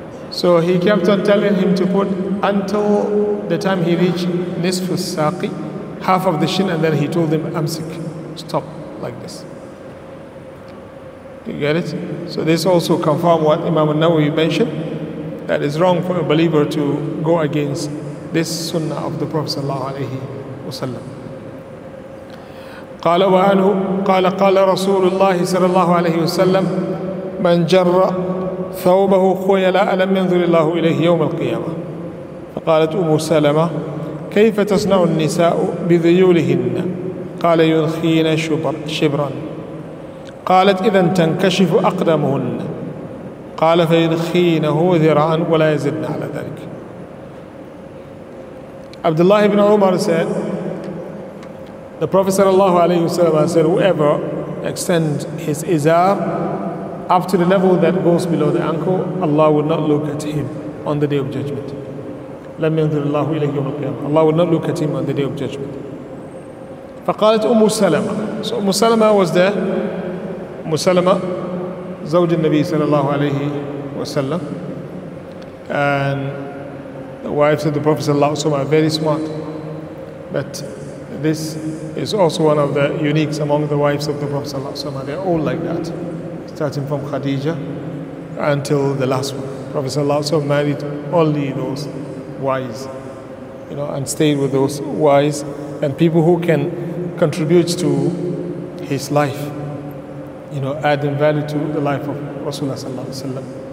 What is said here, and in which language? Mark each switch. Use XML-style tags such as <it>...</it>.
<en>So he kept on telling him to put until the time he reached</en> <ar>nisfu saqi,</ar> <en>half of the shin, and then he told him,</en> <ar>amsik,</ar> <en>stop, like this. You get it? So this also confirmed what Imam al-Nawawi mentioned, that is wrong for a believer to go against this sunnah of the Prophet sallallahu alayhi wa sallam.</en> <ar>قال وعنه قال قال رسول الله صلى الله عليه وسلم من جر ثوبه خيلاء لم ينظر الله إليه يوم القيامة. فقالت أم سلمة كيف تصنع النساء بذيولهن؟ قال ينخين شبرا. قالت إذا تنكشف أقدمهن. قال فينخينه ذراعا ولا يزدن على ذلك.</ar> <en>عبد الله بن عمر said, the Prophet sallallahu alayhi wasallam said, whoever extends his izar up to the level that goes below the ankle, Allah will not look at him on the Day of Judgment.</en> <ar>لم ينظر الله إليه يوم القيامة.</ar> <en>Allah will not look at him on the Day of Judgment.</en> <ar>فقالت أم سلمة.</ar> <en>So أم سلمة was there.</en> <ar>أم سلمة زوج النبي صلى الله عليه وسلم.</ar> <en>And the wife of the Prophet sallallahu alayhi wasallam, very smart. But this is also one of the uniques among the wives of the Prophet. They're all like that, starting from Khadija until the last one. Prophet married only those wise, you know, and stayed with those wise and people who can contribute to his life, you know, adding value to the life of Rasulullah.</en>